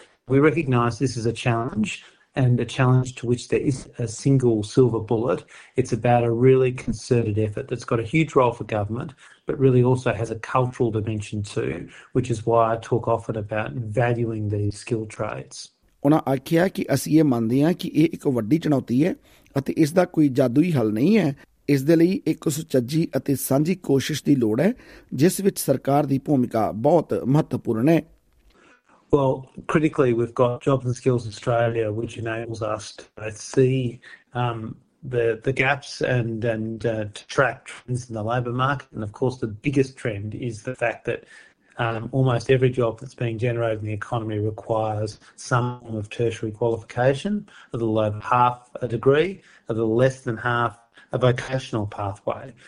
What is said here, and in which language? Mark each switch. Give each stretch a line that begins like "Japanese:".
English: We recognise this is a challenge, and a challenge to which there is a single silver bullet. It's about a really concerted effort that's got a huge role for government, but really also has a cultural dimension too, which is why I talk often about valuing these skill trades.
Punjabi: ਉਹਨਾਂ ਆਖਿਆ ਕਿ ਅਸੀਂ ਇਹ ਮੰਨਦੇ ਹਾਂ ਕਿ ਇਹ ਇੱਕ ਵੱਡੀ ਚੁਣੌਤੀ ਹੈ ਅਤੇ ਇਸ ਦਾ ਕੋਈ ਜਾਦੂਈ ਹੱਲ ਨਹੀਂ ਹੈ। ਇਸ ਦੇ ਲਈ ਇੱਕ ਸੁਚੱਜੀ ਅਤੇ ਸਾਂਝੀ ਕੋਸ਼ਿਸ਼ ਦੀ ਲੋੜ ਹੈ, ਜਿਸ ਵਿੱਚ ਸਰਕਾਰ ਦੀ ਭੂਮਿਕਾ ਬਹੁਤ ਮਹੱਤਵਪੂਰਨ ਹੈ।
English: Well, critically, we've got Jobs and Skills Australia, which enables us to see the gaps and to track trends in the labour market. And of course, the biggest trend is the fact that almost every job that's being generated in the economy requires some form of tertiary qualification, a little over half a degree, a little less than half a vocational pathway.